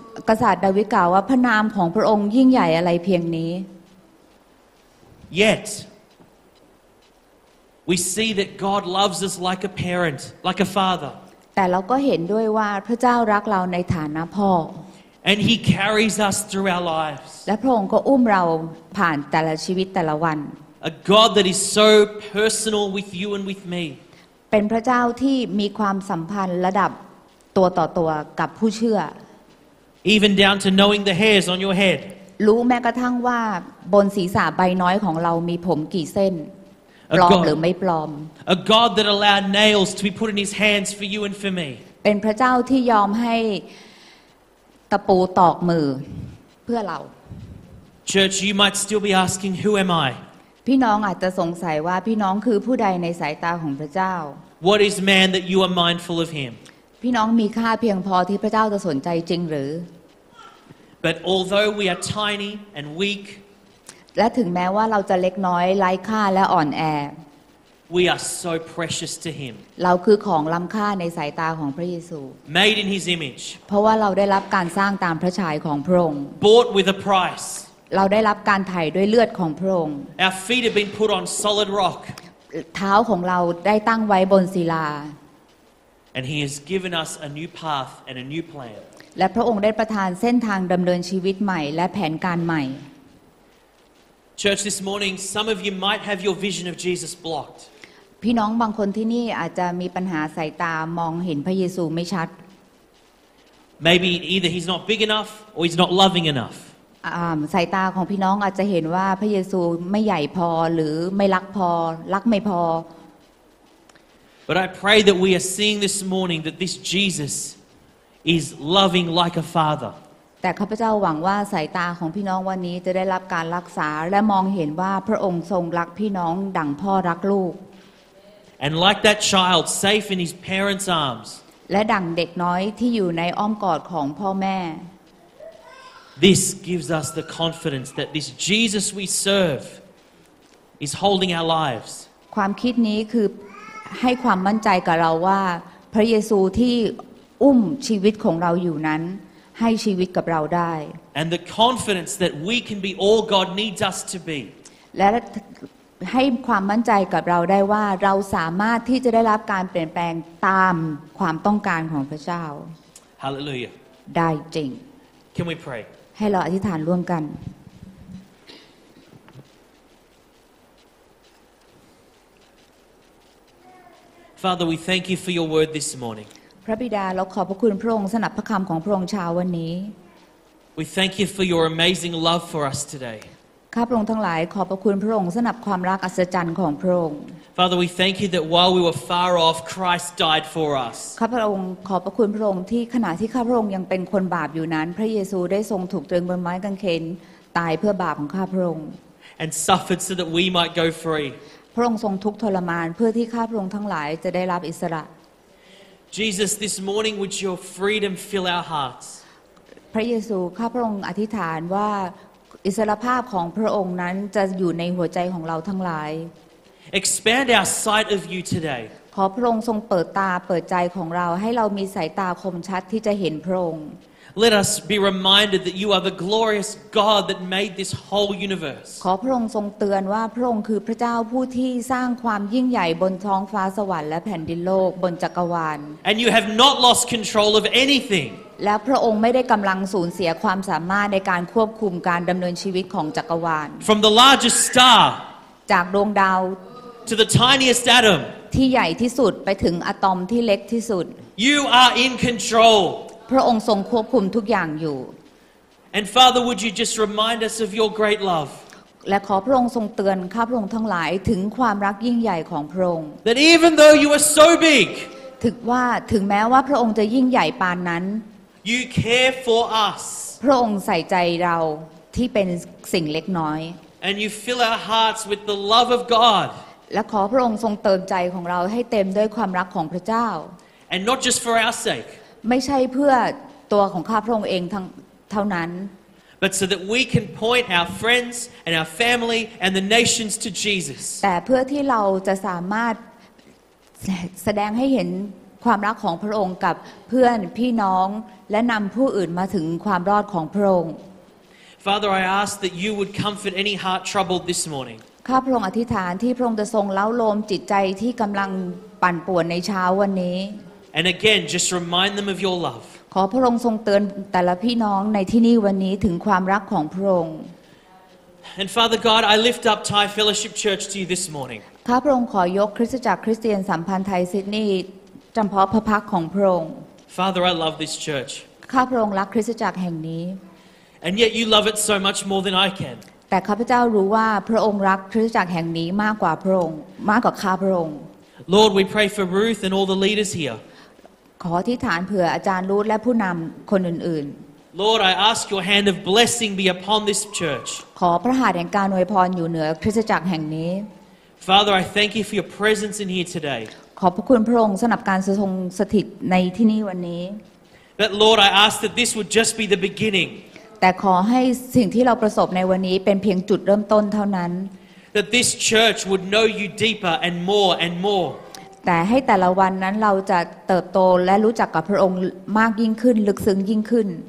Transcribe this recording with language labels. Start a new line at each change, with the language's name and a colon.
Thai: กษัตริย์ดาวิดกล่าวว่าพระนามของพระองค์ยิ่งใหญ่อะไรเพียงนี้
English: Yet we see that God loves us like a parent like a father
Thai: แต่เราก็เห็นด้วยว่าพระเจ้ารักเราในฐานะพ่ อ
English: And he carries us through our lives
Thai: และพระองค์ก็อุ้มเราผ่านแต่ละชีวิตแต่ละวัน
English: A God that is so personal with you and with me
Thai: เป็นพระเจ้าที่มีความสัมพันธ์ระดับตัวต่อตัวกับผู้เชื่อ
English: Even down to knowing the hairs on your head
Thai: รู้แม้กระทั่งว่าบนศีรษะใบน้อยของเรามีผมกี่เส้นปลอมหรือไม่ปลอม
English: A God that allowed nails to be put in his hands for you and for me
Thai: เป็นพระเจ้าที่ยอมให้ตะปูตอกมือเพื่อเรา
English: Church you might still be asking who am I
Thai: พี่น้องอาจจะสงสัยว่าพี่น้องคือผู้ใดในสายตาของพระเจ้า
English: What is man that you are mindful of him
Thai: พี่น้องมีค่าเพียงพอที่พระเจ้าจะสนใจจริงหรือ
English: But although we are tiny and weak
Thai: และถึงแม้ว่าเราจะเล็กน้อยไร้ค่าและอ่อนแ
English: อ We are so precious to him
Thai: เราคือของล้ำค่าในสายตาของพระเยซู
English: Made in his image
Thai: เพราะว่าเราได้รับการสร้างตามพระฉายของพระองค์
English: Bought with a price
Thai: เราได้รับการไถ่ด้วยเลือดของพระองค์
English: Our feet have been put on solid rock
Thai: เท้าของเราได้ตั้งไว้บนศิลา
English: And he has given us a new path and a new plan
Thai: และพระองค์ได้ประทานเส้นทางดำเนินชีวิตใหม่และแผนการใหม่
English: Church this morning some of you might have your vision of Jesus blocked
Thai: พี่น้องบางคนที่นี่อาจจะมีปัญหาสายตามองเห็นพระเยซูไม่ชัด
English: Maybe either he's not big enough or he's not loving enough
Thai: สายตาของพี่น้องอาจจะเห็นว่าพระเยซูไม่ใหญ่พอหรือไม่รักพอรักไม่พ
English: อ But I pray that we are seeing this morning that this Jesus is loving like a father
Thai: แต่ข้าพเจ้าหวังว่าสายตาของพี่น้องวันนี้จะได้รับการรักษาและมองเห็นว่าพระองค์ทรงรักพี่น้องดั่งพ่อรักลูก
English: And like that child safe in his parents' arms
Thai: และดั่งเด็กน้อยที่อยู่ในอ้อมกอดของพ่อแม่
English: This gives us the confidence that this Jesus we serve is holding our lives
Thai: ความคิดนี้คือให้ความมั่นใจกับเราว่าพระเยซูที่อุ้มชีวิตของเราอยู่นั้นให้ชีวิตกับเราได้
English: And the confidence that we can be all God needs us to be
Thai: และให้ความมั่นใจกับเราได้ว่าเราสามารถที่จะได้รับการเปลี่ยนแปลงตามความต้องการของพระเจ้า
English: Hallelujah
Thai: ได้จริง
English: Can we pray?
Thai: ให้เราอธิษฐานร่วมกัน
English: Father, we thank you for your word this morning.
Thai: พระบิดาเราขอบพระคุณพระองค์สนับพระคำของพระองค์เช้าวันนี้
English: We thank you for your amazing love for us today.
Thai: ข้าพระองค์ทั้งหลายขอบพระคุณพระองค์สนับความรักอัศจรรย์ของพระองค์
English: Father, we thank you that while we were far off, Christ died for us.
Thai: ข้าพระองค์ขอบพระคุณพระองค์ที่ขณะที่ข้าพระองค์ยังเป็นคนบาปอยู่นั้นพระเยซูได้ทรงถูกตรึงบนไม้กางเขนตายเพื่อบาปของข้าพระองค์
English: And suffered so that we might go free.
Thai: พระองค์ทรงทุกข์ทรมานเพื่อที่ข้าพระองค์ทั้งหลายจะได้รับอิสระ
English: Jesus, this morning, would your freedom fill our hearts?
Thai: พระเยซูข้าพระองค์อธิษฐานว่าอิสรภาพของพระองค์นั้นจะอยู่ในหัวใจของเราทั้งหลาย
English: Expand our sight of you today.
Thai: ขอพระองค์ทรงเปิดตาเปิดใจของเราให้เรามีสายตาคมชัดที่จะเห็นพระองค์
English: Let us be reminded that you are the glorious God that made this whole universe.
Thai: ขอพระองค์ทรงเตือนว่าพระองค์คือพระเจ้าผู้ที่สร้างความยิ่งใหญ่บนท้องฟ้าสวรรค์และแผ่นดินโลกบนจักรวาล
English: And you have not lost control of anything.
Thai: และพระองค์ไม่ได้กำลังสูญเสียความสามารถในการควบคุมการดำเนินชีวิตของจักรวาล
English: From the largest star.
Thai: จากดวงดาว
English: To the tiniest atom.
Thai: ที่ใหญ่ที่สุดไปถึงอะตอมที่เล็กที่สุด
English: You are in control.
Thai: พระองค์ทรงควบคุมทุกอย่างอยู่
English: And Father, would you just remind us of your great love?
Thai: และขอพระองค์ทรงเตือนข้าพระองค์ทั้งหลายถึงความรักยิ่งใหญ่ของพระองค์
English: That even though you are so big.
Thai: ถึงแม้ว่าพระองค์จะยิ่งใหญ่ปานนั้น
English: You care for us.
Thai: พระองค์ใส่ใจเราที่เป็นสิ่งเล็กน้อย
English: And you fill our hearts with the love of God.
Thai: และขอพระองค์ทรงเติมใจของเราให้เต็มด้วยความรักของพระเจ้า
English: And not just for our sake
Thai: ไม่ใช่เพื่อตัวของข้าพระองค์เองเท่านั้น
English: But so that we can point our friends and our family and the nations to Jesus
Thai: แต่เพื่อที่เราจะสามารถแสดงให้เห็นความรักของพระองค์กับเพื่อนพี่น้องและนำผู้อื่นมาถึงความรอดของพระองค์
English: Father I ask that you would comfort any heart troubled this morning
Thai: ข้าพระองค์อธิษฐานที่พระองค์จะทรงเล้าโลมจิตใจที่กำลังปั่นป่วนในเช้าวันนี้
English: And again, just remind them of your love.
Thai: ขอพระองค์ทรงเตือนแต่ละพี่น้องในที่นี่วันนี้ถึงความรักของพระองค์
English: And Father God, I lift up Thai Fellowship Church to you this morning.
Thai: ข้าพระองค์ขอยกคริสตจักรคริสเตียนสัมพันธ์ไทยซิดนีย์จำเพาะพระพักของพระองค์
English: Father, I love this church.
Thai: ข้าพระองค์รักคริสตจักรแห่งนี้
English: And yet you love it so much more than I can.
Thai: แต่ข้าพเจ้ารู้ว่าพระองค์รักคริสตจักรแห่งนี้มากกว่าพระองค์มากกว่าข้าพระองค์
English: Lord we pray for Ruth and all the leaders here
Thai: ขออธิษฐานเผื่ออาจารย์รูธและผู้นำคนอื่น
English: ๆ Lord I ask your hand of blessing be upon this church
Thai: ขอพระหัตถ์แห่งการอวยพรอยู่เหนือคริสตจักรแห่งนี้
English: Father I thank you for your presence in here today
Thai: ขอบพระคุณพระองค์สำหรับการทรงสถิตในที่นี่วันนี้
English: But Lord I ask that this would just be the beginning
Thai: แต่ขอให้สิ่งที่เราประสบในวันนี้เป็นเพียงจุดเริ่มต้นเท่านั้น
English: That this church would know you deeper and more and more
Thai: แต่ให้แต่ละวันนั้นเราจะเติบโตและรู้จักกับพระองค์มากยิ่งขึ้นลึกซึ้งยิ่งขึ้น